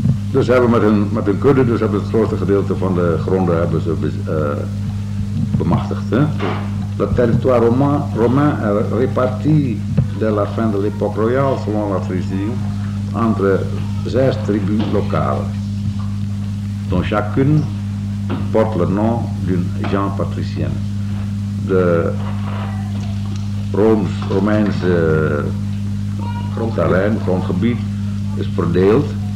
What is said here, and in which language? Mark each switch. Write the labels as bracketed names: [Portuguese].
[Dutch] Dus hebben met hun kudde, dus hebben het grootste gedeelte van de gronden hebben ze bemachtigd. [French] Le territoire romain est réparti dès la fin de l'époque royale, selon la tradition, entre 6 tribus locales, dont chacune porte le nom d'une gens patricienne. [Dutch] De Romeinse terrein, grondgebied, is verdeeld.